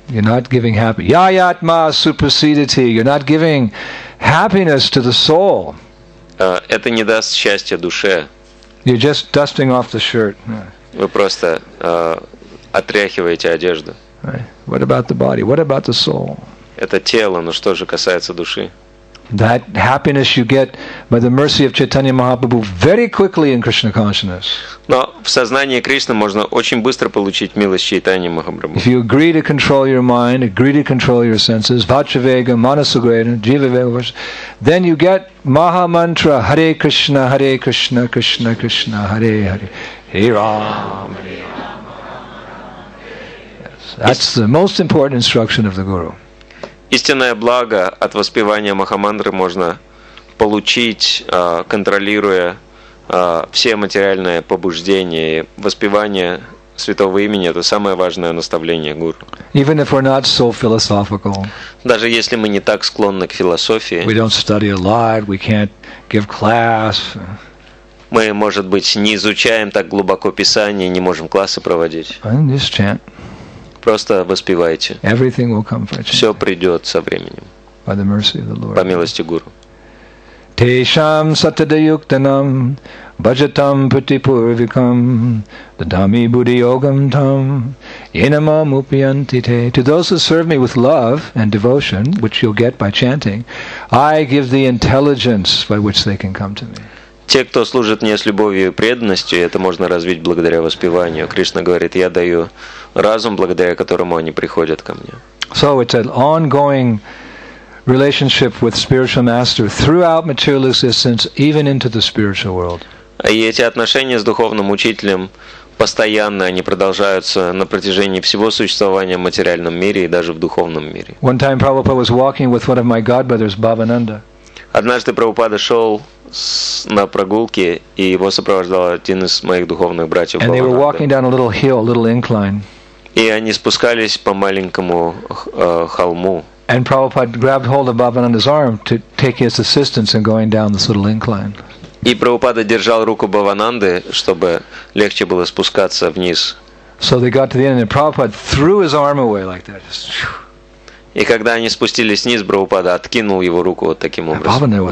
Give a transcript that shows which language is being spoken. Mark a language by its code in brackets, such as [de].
[en] You're not giving happiness. Yayatma supersedity. You're not giving happiness to the soul. [ru] Это не даст счастья душе. [en] You're just dusting off the shirt. [ru] Вы просто отряхиваете одежду. [en] Right. What about the body? What about the soul? [ru] Это тело, но что же касается души? [en] That happiness you get by the mercy of Chaitanya Mahaprabhu very quickly in Krishna consciousness. [ru] Но в сознании Кришны можно очень быстро получить милость Чайтанья Махапрабху. [en] If you agree to control your mind, agree to control your senses, Vachavega, Manasugreha, Jivavega, then you get Maha Mantra, Hare Krishna, Hare Krishna, Krishna Krishna, Hare Hare, Hare Ram. That's the most important instruction of the Guru. [ru] Истинное благо от воспевания Махамантры можно получить, контролируя все материальные побуждения. Воспевание святого имени — это самое важное наставление Гуру. [en] Even if we're not so philosophical, [ru] даже если мы не так склонны к философии, [en] we don't study a lot, we can't give class. [ru] Мы, может быть, не изучаем так глубоко Писание, не можем классы проводить. Просто воспевайте. [en] Everything will come for [ru] Все придет со временем. [en] By the mercy of the Lord. [ru] По милости Гуру. [sa] Тешам сатадаюктанам баджатам путипурвикам дадами буддийогам там енамам упьянтите. [en] To those who serve me with love and devotion, which you'll get by chanting, I give the intelligence by which they can come to me. [ru] Те, кто служит мне с любовью и преданностью, это можно развить благодаря воспеванию. Кришна говорит, я даю разум, благодаря которому они приходят ко мне. [en] So it's an ongoing relationship with spiritual master throughout material existence, even into the spiritual world. [ru] И эти отношения с духовным учителем постоянно, они продолжаются на протяжении всего существования в материальном мире и даже в духовном мире. [en] One time Prabhupada was walking with one of my godbrothers, Bhavananda. [ru] Однажды Прабхупада шел на прогулке, и его сопровождал один из моих духовных братьев. [en] And they were walking down a little hill, a little incline. [ru] И они спускались по маленькому холму. [en] And Prabhupada grabbed hold of Bhavananda's arm to take his assistance in going down this little incline. [ru] И Прабхупада держал руку Бхавананды, чтобы легче было спускаться вниз. [en] So they got to the end, and Prabhupada threw his arm away like that. [ru] И когда они спустились вниз, Прабхупада откинул его руку вот таким образом.